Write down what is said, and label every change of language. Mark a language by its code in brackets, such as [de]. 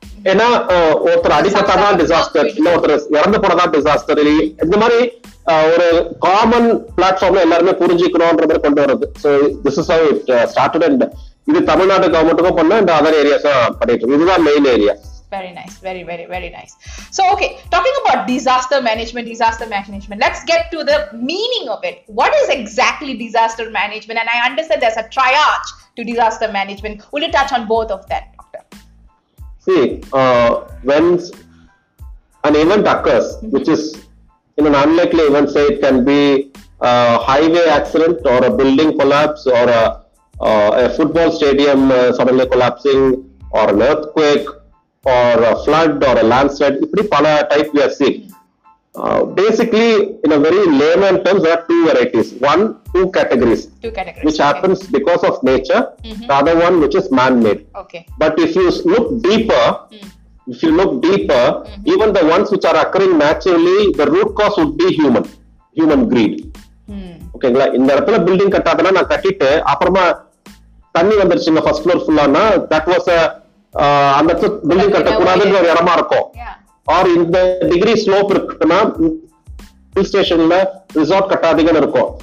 [ta] ஏன்னா ஒருத்தர் அடிபட்டாதான் டிசாஸ்டர், இல்ல ஒருத்தர் இறந்து போனதான் டிசாஸ்டர், இந்த மாதிரி ஒரு காமன் பிளாட்ஃபார்ம்ல எல்லாருமே புரிஞ்சுக்கணும்ன்ற மாதிரி கொண்டு வருது. [en] so this is how it started [ta] and இது தமிழ்நாடு கவர்மெண்ட்டும் பண்ணோம் அண்ட் அதர் ஏரியாஸும் பண்ணிட்டு இருக்கு. இதுதான் main area. [en] Very nice, very, very, very nice. So, okay, talking about disaster management, let's get to the meaning of it. What is exactly disaster management? And I understand there's a triage to disaster management. Will you touch on both of that, Doctor? See, when an event occurs, which is in an unlikely event, say it can be a highway accident or a building collapse or a football stadium suddenly collapsing or an earthquake, or a flood or a landslide, [ta] இப்படி பல type [en] we have seen. Basically, in a very layman terms, there are two varieties. One, two categories. Two categories. Which happens because of nature, the other one which is man-made. Okay. But if you look deeper, even the ones which are occurring naturally, the root cause would be human greed. [ta] Okay, இந்த இடத்துல building கட்டாதனா நான் கட்டிட்டு அப்புறமா தண்ணி வந்துருச்சுங்க first floor ஃபுல்லானா [en] that was a [ta] அந்த building கட்டக்கூடாதுன்ற ஒரு இடமா இருக்கும். ஆர் இந்த டிகிரி ஸ்லோப் இருக்குன்னா ஹில் ஸ்டேஷன்ல ரிசார்ட் கட்டாதீங்கன்னு இருக்கும்.